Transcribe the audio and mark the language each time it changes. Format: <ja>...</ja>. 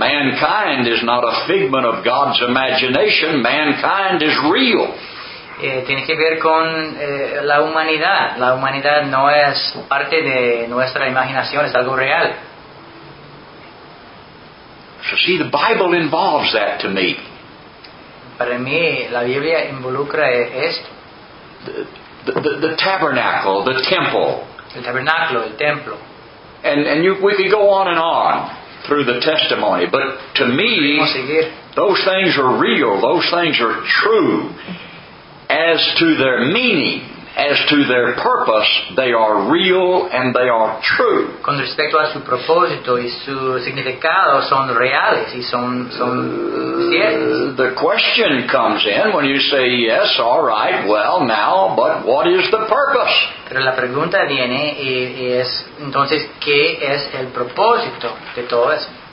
<en>Mankind is not a figment of God's imagination. Mankind is real.</en> <es>Tiene que ver con la humanidad. La humanidad no es parte de nuestra imaginación, es algo real.</es> <en>So see, the Bible involves that to me.</en> <es>Para mí, la Biblia involucra esto.</es> <en>The tabernacle, the temple.</en> <es>El tabernáculo, el templo.</es> <en>And we could go on through the testimony, but to me, those things are real, those things are true. As to their meaning, as to their purpose, they are real and they are true.</en> <es>Con respecto a su propósito y su significado, son reales y son ciertos.</es> <en>The question comes in when you say, yes, all right, well, now, but what is the purpose?</en> <es>Pero la pregunta viene y es, entonces, ¿qué es el propósito de todo eso?</es>